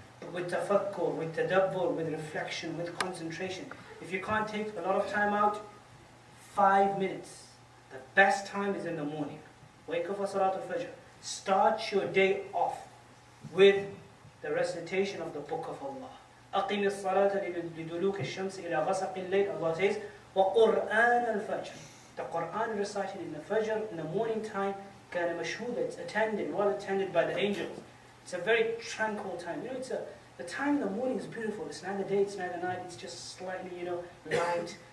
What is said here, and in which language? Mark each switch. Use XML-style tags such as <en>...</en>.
<en>But with tafakkur, with tadabbur, with reflection, with concentration. If you can't take a lot of time out, 5 minutes. The best time is in the morning. Wake up for Salatul Fajr. Start your day off with the recitation of the Book of Allah.</en> <ar>أقم الصلاة لدلوك الشمس إلى غسق الليل.</ar> <en>Allah says,</en> <ar>وقرآن الفجر.</ar> <en>The Quran recited in the Fajr, in the morning time,</en> <ar>كان مشهودا.</ar> <en>It's attended, well attended by the angels. It's a very tranquil time. You know, the time in the morning is beautiful. It's neither day, it's neither night. It's just slightly, you know, light.</en>